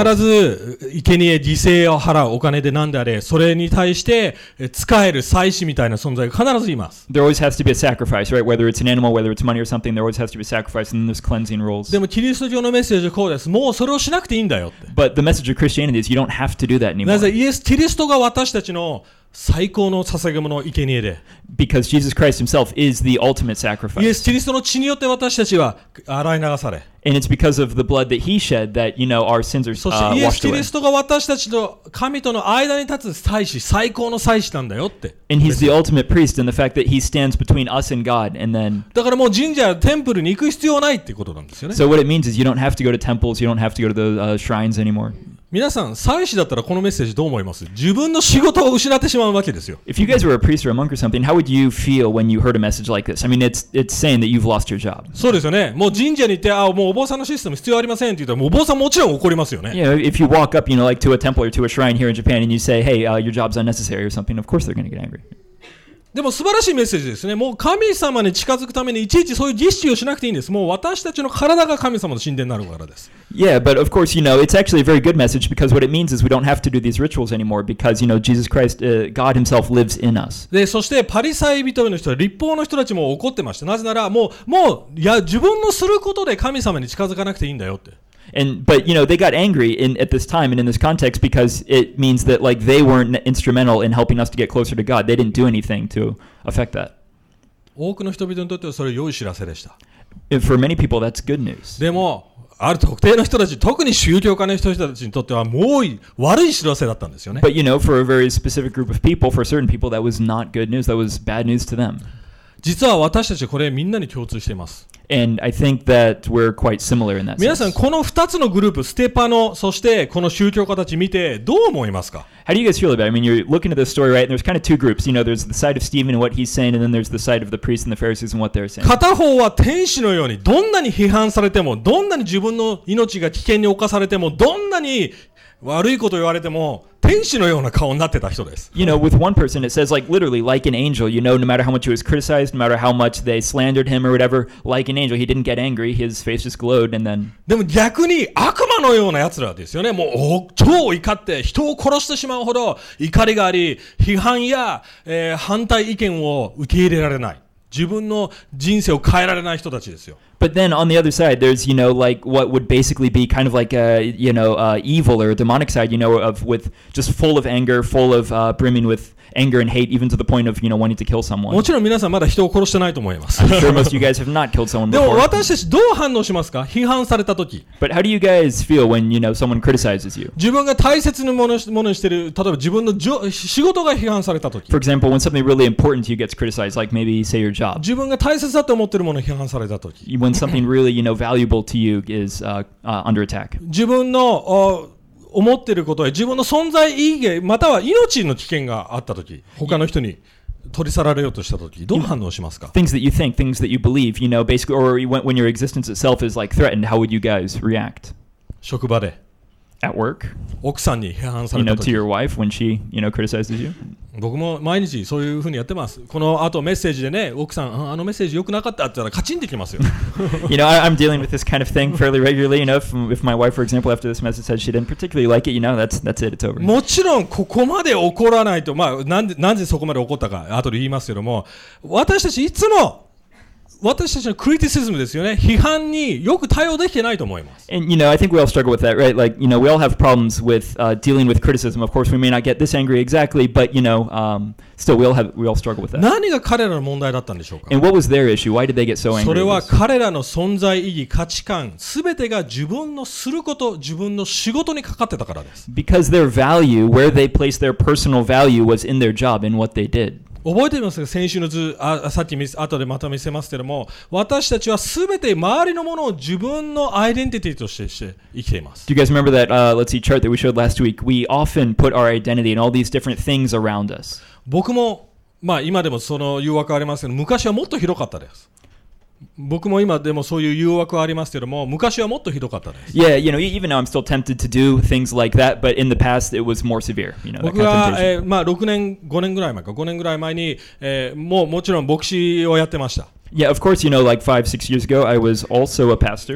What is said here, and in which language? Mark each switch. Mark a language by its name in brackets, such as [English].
[Japanese] 必ず生贄犠牲を払うお金で何であれそれに対して使える祭司みたいな存在が必ずいます。 [English] There always has to be a sacrifice, right? Whether it's an animal, whether it's money or something, there always has to be a sacrifice and then there's cleansing rules. [Japanese] でもキリスト教のメッセージはこうです。もうそれをしなくていいんだよって。 [English] But the message of Christianity is you don't have to do that anymore. [Japanese] なぜイエス、キリストが私たちの最高の捧げ物を生贄で。 [English] Because Jesus Christ himself is the ultimate sacrifice. [Japanese] イエス、キリストの血によって私たちは洗い流され。 [English] And it's because of the blood that he shed that, you know, our sins are washed away. [Japanese] そしてイエス・キリストが私たちと神との間に立つ祭司、最高の祭司なんだよって。 [English] And he's the ultimate priest in the fact that he stands between us and God. And then, [Japanese] だからもう神社、テンプルに行く必要ないってことなんですよね。 [English] So what it means is you don't have to go to temples, you don't have to go to the shrines anymore. [Japanese] 皆さん、祭司だったらこのメッセージどう思います？自分の仕事を失ってしまうわけですよ。 [English] If you guys were a priest or a monk or something, how would you feel when you heard a message like this? I mean, it's saying that you've lost your job. [Japanese] そうですよね。もう神社に行って、もうお坊さんのシステム必要ありませんって言ったら、もうお坊さんもちろん怒りますよね。 [English] You know, if you walk up, you know, like to a temple or to a shrine here in Japan and you say, hey, your job's unnecessary or something, of course they're going to get angry. [Japanese] でも素晴らしいメッセージですね。もう神様に近づくためにいちいちそういう儀式をしなくていいんです。もう私たちの体が神様の神殿になるからです。 [English] Yeah, but of course, you know, it's actually a very good message because what it means is we don't have to do these rituals anymore because, you know, Jesus Christ, God himself lives in us. [Japanese] で、そしてパリサイ人の人、立法の人たちも怒ってました。なぜなら、もう、いや、自分のすることで神様に近づかなくていいんだよって。 [English] But you know they got angry at this time and in this context because it means that like they weren't instrumental in helping us to get closer to God. They didn't do anything to affect that. [Japanese] 多くの人々にとってはそれは良い知らせでした。 [English] And for many people, that's good news. [Japanese] でもある特定の人たち、特に宗教家の人たちにとってはもう悪い知らせだったんですよね。 [English] But you know, for a very specific group of people, for certain people, that was not good news. That was bad news to them. [Japanese] 実は私たちこれみんなに共通しています。 [English] And I think that we're quite similar in that sense. [Japanese] 皆さん、この2つのグループ、ステパノ、そしてこの宗教家たち見て、どう思いますか? [English] How do you guys feel about it? I mean, you're looking at this story, right? And there's kind of two groups. You know, there's the side of Stephen and what he's saying, and then there's the side of the priests and the Pharisees and what they're saying. [Japanese] 片方は天使のように、どんなに批判されても、どんなに自分の命が危険に侵されても、どんなに悪いこと言われても、天使のような顔になってた人です。 [English] You know, with one person, it says like literally like an angel. You know, no matter how much he was criticized, no matter how much they slandered him or whatever, like an angel, he didn't get angry. His face just glowed, and then. [Japanese] でも逆に悪魔のような奴らですよね。もう超怒って人を殺してしまうほど怒りがあり、批判や、反対意見を受け入れられない。自分の人生を変えられない人たちですよ。 [English] But then on the other side, there's, you know, like what would basically be kind of like a, you know, evil or a demonic side, you know, of with just full of anger, full of brimming with anger and hate, even to the point of, you know, wanting to kill someone. [Japanese] もちろん皆さんまだ人を殺してないと思います。 [English] I'm sure most of you guys have not killed someone before. [Japanese] でも私たちどう反応しますか? 批判されたとき。 [English] But how do you guys feel when, you know, someone criticizes you? [Japanese] 自分が大切なものにしてる、例えば自分の仕事が批判されたとき。 [English] For example, when something really important to you gets criticized, like maybe say your job. [Japanese] 自分が大切だと思ってるものを批判されたとき。 [English] When something really, you know, valuable to you is under attack. [Japanese] 自分の思っていることや自分の存在意義または命の危険があったとき、他の人に取り去られようとしたとき、どう反応しますか? [English] Things that you think, things that you believe, you know, basically, or when your existence itself is like threatened, how would you guys react? [Japanese] 職場で。 [English] At work. [Japanese] 奥さんに批判されたとき。 [English] You know, to your wife when she, you know, criticizes you. [Japanese] 僕も毎日そういうふうにやってます。この後メッセージでね、奥さん、あのメッセージ良くなかったって言ったらカチンってきますよ。 [English] You know, I'm dealing with this kind of thing fairly regularly. You know, if my wife, for example, after this message said she didn't particularly like it, you know, that's it, it's over. [Japanese] もちろんここまで怒らないと、まあ、なんでそこまで怒ったか、後で言いますけども、私たちいつも私たちのクリティシズムですよね。批判によく対応できてないと思います。 [English] And you know, I think we all struggle with that, right? Like, you know, we all have problems with dealing with criticism. Of course, we may not get this angry exactly, but you know, still, we all struggle with that. [Japanese] 何が彼らの問題だったんでしょうか? [English] And what was their issue? Why did they get so angry? [Japanese] それは彼らの存在意義、価値観、すべてが自分のすること、自分の仕事にかかってたからです。 [English] Because their value, where they placed their personal value, was in their job, in what they did. [Japanese] 覚えてますか先週の図、さっき後でまた見せますけども、私たちはすべて周りのものを自分のアイデンティティとして生きています。 [English] Do you guys remember that, let's see, chart that we showed last week? We often put our identity in all these different things around us. [Japanese] 僕も、まあ今でもその誘惑はありますけど、昔はもっと広かったです。僕も今でもそういう誘惑はありますけども、昔はもっとひどかったです。 [English] Yeah, you know, even now I'm still tempted to do things like that, but in the past it was more severe. You know, [Japanese] 僕は、まあ6年、5年ぐらい前か、5年ぐらい前に、もちろん牧師をやってました。 [English] Yeah, of course, you know, like 5-6 years ago, I was also a pastor.